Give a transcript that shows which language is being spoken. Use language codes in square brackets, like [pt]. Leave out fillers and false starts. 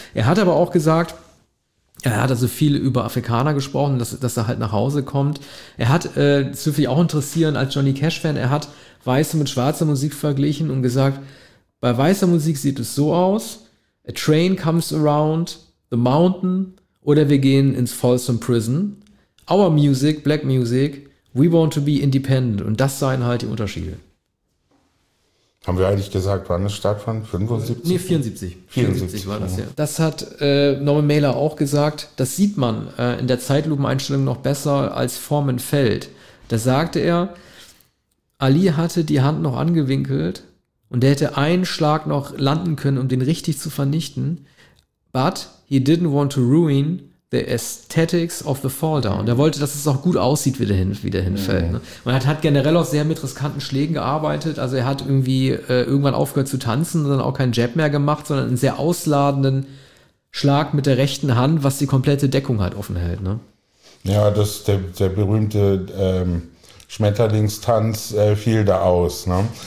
[de] Er hat aber auch gesagt, er hat also viel über Afrikaner gesprochen, dass er halt nach Hause kommt. Er hat, das würde mich auch interessieren als Johnny Cash-Fan, er hat weiße mit schwarzer Musik verglichen und gesagt, bei weißer Musik sieht es so aus, [en] a train comes around the mountain [de] oder wir gehen ins Folsom Prison. [en] Our music, black music, we want to be independent. [de] Und das seien halt die Unterschiede. Haben wir eigentlich gesagt, wann es stattfand? 75? Nee, 74. 74 war das, ja. Das hat Norman Mailer auch gesagt. Das sieht man in der Zeitlupeneinstellung noch besser als Forman Feld. Da sagte er, Ali hatte die Hand noch angewinkelt und der hätte einen Schlag noch landen können, um den richtig zu vernichten. [en] But he didn't want to ruin the aesthetics of the fall down. [de] Der wollte, dass es auch gut aussieht, wie der hinfällt. Ne? Man hat generell auch sehr mit riskanten Schlägen gearbeitet. Also er hat irgendwie irgendwann aufgehört zu tanzen und dann auch keinen Jab mehr gemacht, sondern einen sehr ausladenden Schlag mit der rechten Hand, was die komplette Deckung halt offen hält. Ne? Ja, das der berühmte Schmetterlingstanz fiel da aus. Ne?